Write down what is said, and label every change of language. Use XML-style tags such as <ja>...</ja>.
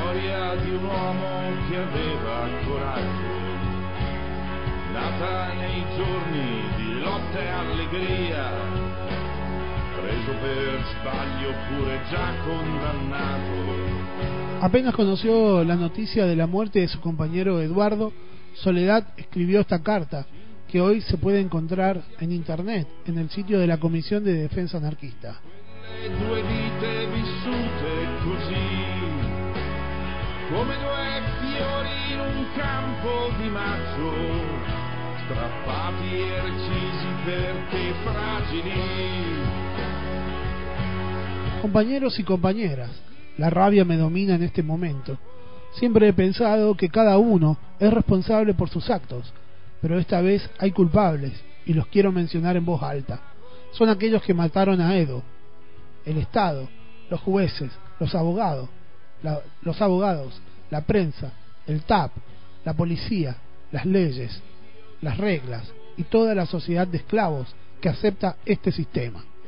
<it>Aveva coraggio, nata nei giorni di lotta e allegria, preso per sbaglio pure già condannato.</it> <es>Apenas conoció la noticia de la muerte de su compañero Eduardo, Soledad escribió esta carta, que hoy se puede encontrar en internet, en el sitio de la Comisión de Defensa Anarquista.</es> <it>Le due vite vissute così, come due fiori in un campo di maggio, strappati e recisi perché fragili.</it> <es>Compañeros y compañeras, La rabia me domina en este momento. Siempre he pensado que cada uno es responsable por sus actos, pero esta vez hay culpables y los quiero mencionar en voz alta. Son aquellos que mataron a Edo. El Estado, los jueces, los abogados, la prensa, el TAP, la policía, las leyes, las reglas y toda la sociedad de esclavos que acepta este sistema.</es>